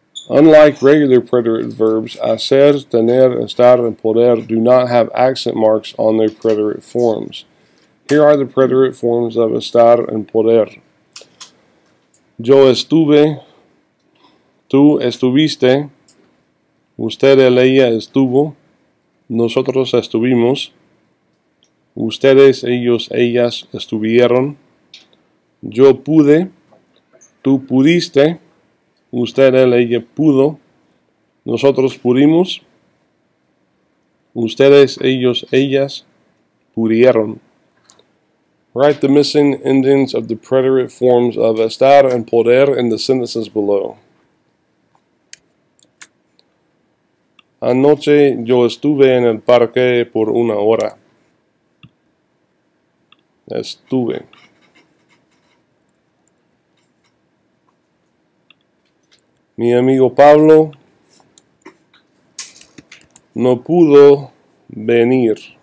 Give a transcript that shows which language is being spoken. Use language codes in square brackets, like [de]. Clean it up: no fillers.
[en] Unlike regular preterite verbs, hacer, tener, estar, and poder do not have accent marks on their preterite forms. Here are the preterite forms of estar and poder. [es] Yo estuve, tú estuviste, usted, ella estuvo, nosotros estuvimos, ustedes, ellos, ellas estuvieron. Yo pude, tú pudiste, usted, él, ella pudo, nosotros pudimos, ustedes, ellos, ellas pudieron. [en] Write the missing endings of the preterite forms of estar and poder in the sentences below. [es] Anoche yo estuve en el parque por una hora. Estuve. Mi amigo Pablo no pudo venir.